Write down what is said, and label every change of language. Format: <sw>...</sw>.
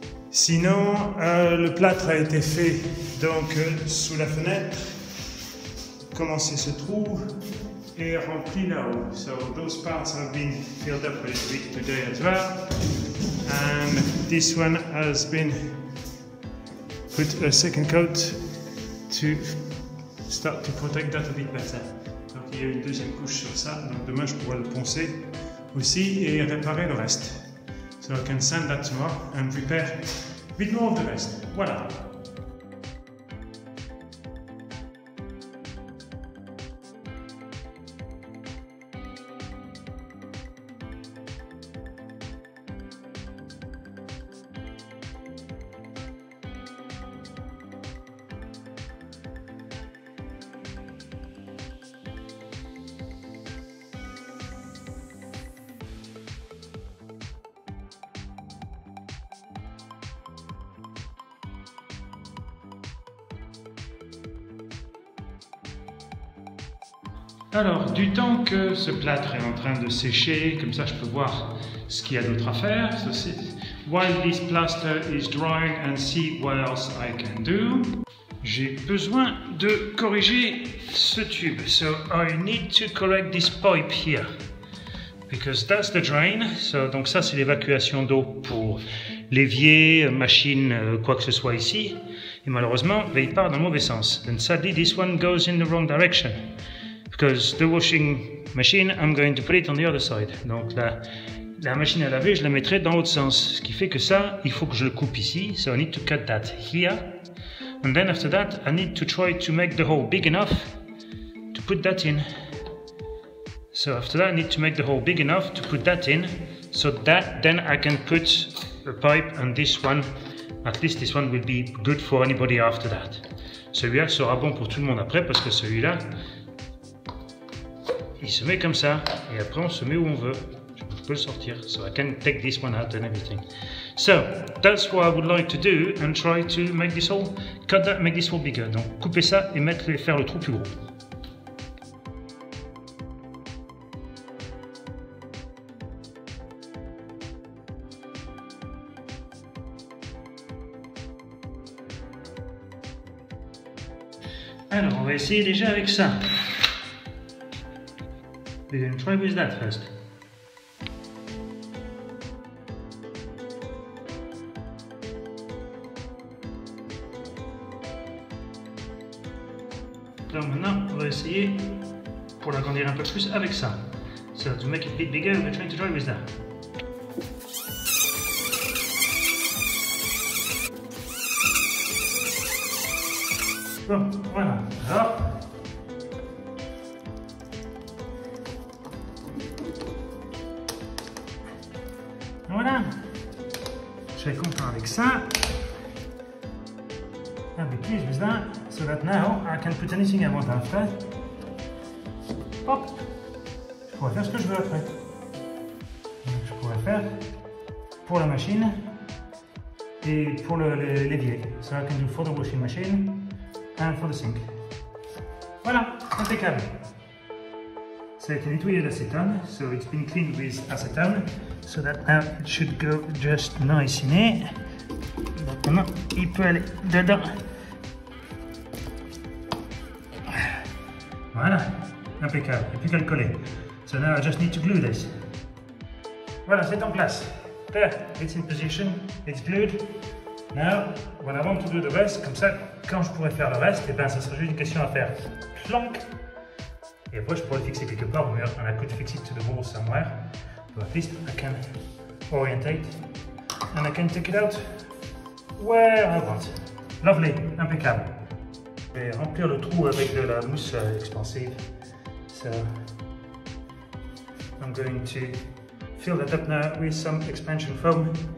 <fr>Sinon, le plâtre a été fait donc sous la fenêtre, commencer ce trou, et rempli là-haut.</fr> <en>So those parts have been filled up a little bit today as well. And this one has been put a second coat to start to protect that a bit better.</en> <fr>Donc il y a une deuxième couche sur ça. Donc demain je pourrai le poncer aussi et réparer le reste.</fr> <en>So I can sand that tomorrow and repair a bit more of the rest.</en> <fr>Voilà. Alors, du temps que ce plâtre est en train de sécher, comme ça je peux voir ce qu'il y a d'autre à faire.</fr> <en>So, while this plaster is drying and see what else I can do.</en> <fr>J'ai besoin de corriger ce tube.</fr> <en>So I need to correct this pipe here. Because that's the drain.</en> <fr>So, donc ça c'est l'évacuation d'eau pour l'évier, machine, quoi que ce soit ici. Et malheureusement, il part dans le mauvais sens.</fr> <en>And sadly, this one goes in the wrong direction. Because the washing machine, I'm going to put it on the other side.</en> <fr>Donc la machine à laver, je la mettrai dans l'autre sens. Ce qui fait que ça, il faut que je le coupe ici.</fr> <en>So I need to cut that here. And then after that, I need to try to make the hole big enough to put that in. So after that, I need to make the hole big enough to put that in. So that then I can put a pipe on this one. At least this one will be good for anybody after that.</en> <fr>Celui-là sera bon pour tout le monde après parce que celui-là, il se met comme ça, et après on se met où on veut. Je peux le sortir,</fr> <en>so I can take this one out and everything. So, that's what I would like to do, and try to make this hole, cut that, make this hole bigger.</en> <fr>Donc, couper ça et faire le trou plus gros. Alors, on va essayer déjà avec ça.</fr> <en>We're going to try with that first.</en> <fr>Now, maintenant, on va essayer pour l'agrandir un peu plus avec ça.</fr> <en>So, to make it a bit bigger, we're trying to try with that.</en> <fr>Bon, voilà. Alors, voilà, je vais comprendre avec ça.</fr> <en>I'll be pleased with that, so that now I can put anything I want after. Hop!</en> <fr>Je pourrais faire ce que je veux après. Donc je pourrais faire pour la machine et pour l'évier.</fr> <en>So I can do for the washing machine and for the sink.</en> <fr>Voilà, impeccable. Ça a été nettoyé d'acétone,</fr> <en>so it's been cleaned with acetone. So that now it should go just nice in it.</en> <fr>Maintenant, il peut aller dedans. Voilà, impeccable, il n'y a plus qu'à le coller.</fr> <en>So now I just need to glue this.</en> <fr>Voilà, c'est en place.</fr> <en>There, it's in position, it's glued. Now, when I want to do the rest,</en> <fr>comme ça, quand je pourrais faire le reste, et ben, ça sera juste une question à faire. Plonk. Et après, je pourrais le fixer quelque part au mur.</fr> <en>And I could fix it to the wall somewhere. But at least I can orientate. And I can take it out where I want. Lovely, impeccable.</en> <fr>Je vais remplir le trou avec de la mousse expansive.</fr> <en>So, I'm going to fill that up now with some expansion foam.</en>